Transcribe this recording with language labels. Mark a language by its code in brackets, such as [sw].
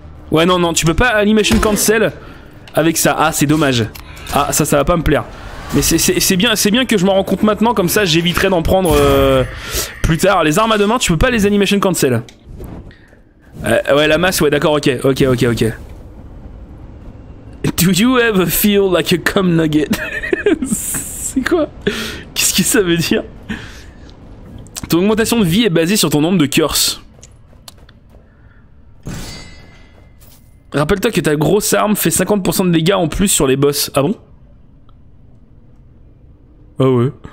[fr] Ouais, non, non, tu peux pas animation cancel avec ça. Ah, c'est dommage. Ah, ça, ça va pas me plaire. Mais c'est bien que je m'en rends compte maintenant, comme ça j'éviterai d'en prendre plus tard. Les armes à deux mains, tu peux pas les animation cancel. Ouais, la masse, ouais, d'accord, ok. [en] Do you ever feel like a cum nugget? [fr] C'est quoi? Qu'est-ce que ça veut dire? Ton augmentation de vie est basée sur ton nombre de curses. Rappelle-toi que ta grosse arme fait 50% de dégâts en plus sur les boss. Ah bon? Ah ouais.